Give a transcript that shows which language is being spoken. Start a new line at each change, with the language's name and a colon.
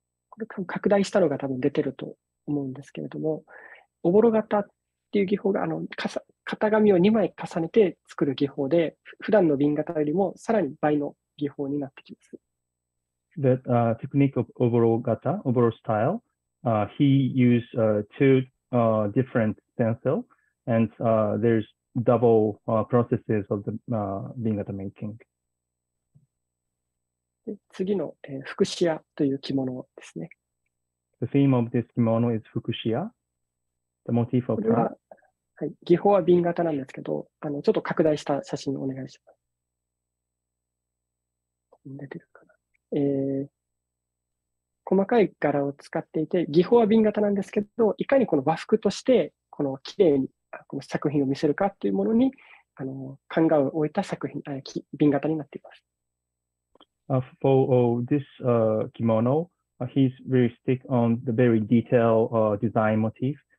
Japanese: これ拡大したのが多分出てると思うんですけれども、おぼろ型っていう技法が、型紙を2枚重ねて作る技法で、普段の瓶型よりもさらに倍の技法になってきます。
English: The technique of oboro gata, oboro style, he used two different stencil, and there's double processes of the bingata making.
Japanese: 次の、福祉屋という着物ですね。
English: The theme of this kimono is 福祉屋。The motif of
Japanese: これは、はい、技法は瓶型なんですけど、ちょっと拡大した写真をお願いします。出てるかな。細かい柄を使っていて、技法は瓶型なんですけど、いかにこの和服として、この綺麗にこの作品を見せるかというものに、考えを置いた作品、瓶型になっています。
English: For this kimono, he's very stick on the very detailed design motif.